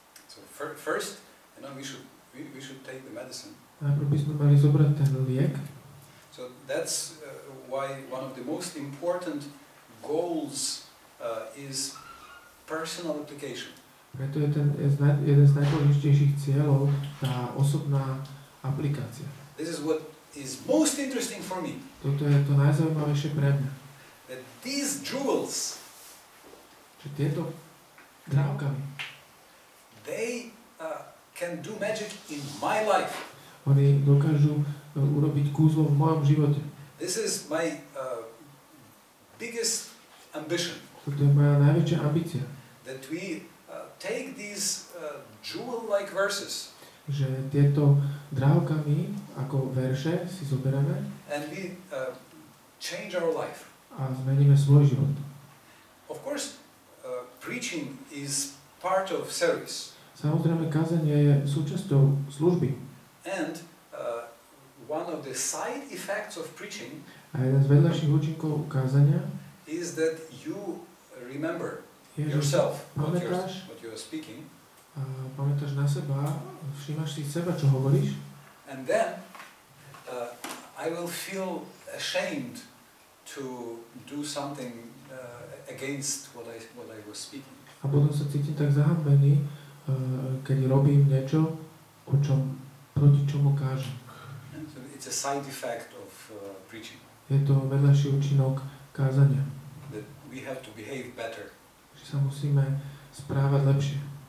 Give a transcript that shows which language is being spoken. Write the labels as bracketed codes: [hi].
[en] So first, you know, we should take the medicine. [sk] Najprv by sme mali zobrať ten liek. [en] So that's why one of the most important goals is personal application. [sk] Preto je ten jeden z najdôležitejších cieľov tá osobná aplikácia. [en] This is what is most interesting for me. [sk] Toto je to najzaujímavejšie pre mňa. [en] That these jewels, [sk] že tieto drahokamy, [en] they can do magic in my life. [sk] Oni dokážu urobiť kúzlo v mojom živote. [en] This is my biggest ambition. [sk] Toto je moja najväčšia ambícia. [en] That we take these jewel-like verses. [sk] Že tieto drahokamy ako verše si zoberieme. [en] And we change our life. [sk] A zmeníme svoj život. [en] Of course, preaching is part of service. [sk] Samozrejme, kázanie je súčasťou služby. [en] And one of the side effects of preaching, [sk] a jeden z vedľajších účinkov kázania, [en] is that you remember yourself, what you're speaking. [sk] Pamätáš na seba, všímaš si seba, čo hovoríš. [en] And then I will feel ashamed to do something against what I was speaking. [sk] A potom sa cítim tak zahambený, keď robím niečo, o čom, proti čomu kážem. [en] It's a side effect of preaching. [sk] Je to vedľajší účinok kázania. [en] That we have to behave better. [sk] Že sa musíme správať lepšie.